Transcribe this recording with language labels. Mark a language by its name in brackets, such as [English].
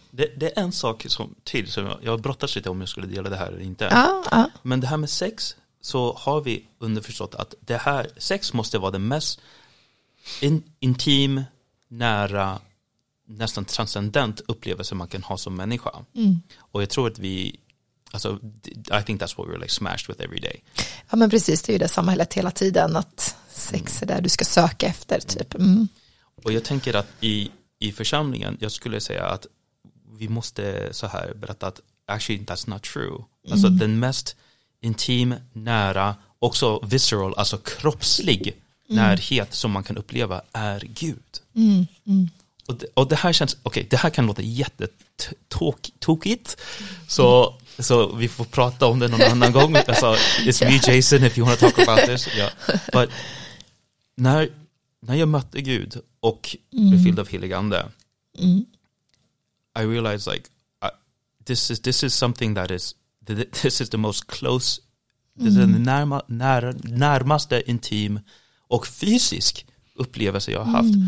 [Swedish] Det är en sak som jag brottas lite om jag skulle dela det här eller inte. Ja, ja. Men det här med sex, så har vi underförstått att det här sex måste vara det mest intim, nära, nästan transcendent upplevelse man kan ha som människa. Och jag tror att vi, alltså, [English] I think that's what we're like smashed with every day. [Swedish] Ja, men precis, det är ju det samhället hela tiden, att sex är där du ska söka efter typ. Och jag tänker att i församlingen, jag skulle säga att vi måste så här berätta att [English] actually that's not true. [Swedish] Alltså den mest intim, nära, också visceral, alltså kroppslig närhet som man kan uppleva är Gud. Och det här känns, okej, det här kan låta jättetokigt. Så vi får prata om det någon annan gång. Alltså, [English] it's me, Jason, if you want to talk about this. Yeah. [Swedish] But när jag mötte Gud och blev fylld av helig ande, [English] I realized like this is something that is this is the [Swedish] most close, this is the närmaste intim och fysisk upplevelse jag har haft.